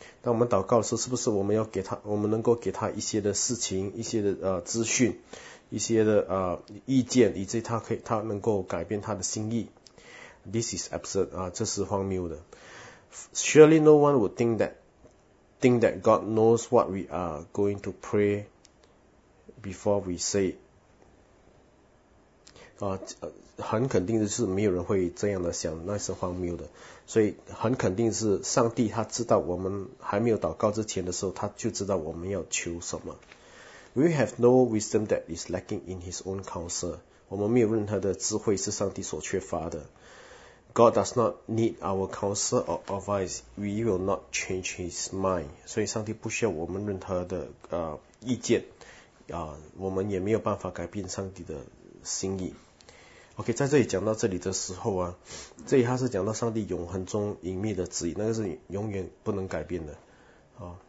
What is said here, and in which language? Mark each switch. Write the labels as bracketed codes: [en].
[zh] 当我们祷告的时候，是不是我们要给他，我们能够给他一些的事情、一些的资讯、一些的意见，以至于他能够改变他的心意 ？ [en] This is absurd [zh] 啊，这是荒谬的。 [en] Surely no one would think that God knows what we are going to pray before we say it. [zh] 很肯定的是没有人会这样的想，那是荒谬的。所以很肯定是上帝他知道我们还没有祷告之前的时候，他就知道我们要求什么。 [en] We have no wisdom that is lacking in his own counsel. [zh] 我们没有任何的智慧是上帝所缺乏的。 [en] God does not need our counsel or advice. We will not change His mind. [zh] 所以上帝不需要我们任何的意见，我们也没有办法改变上帝的心意。 OK， 在这里讲到这里的时候啊，这里他是讲到上帝永恒中隐秘的旨意，那个是永远不能改变的啊。